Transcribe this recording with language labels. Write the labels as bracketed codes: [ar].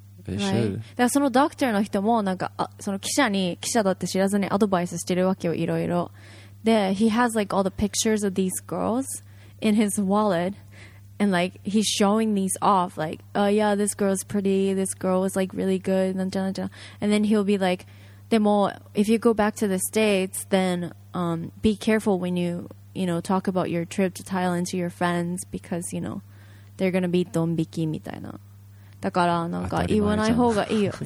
[ja] だからそのドクターの人もなんかその記者だって知らずにアドバイスしてるわけよ、いろいろ。で、 [en] he has like all the pictures of these girls in his wallet and like he's showing these off like, oh yeah, this girl's pretty, this girl was like really good, and then he'll be like, [ja] でも [en] if you go back to the States, then be careful when you know, talk about your trip to Thailand to your friends because, you know, they're gonna be [ja] ドン引きみたいな。だからなんか言わない方がいいよ。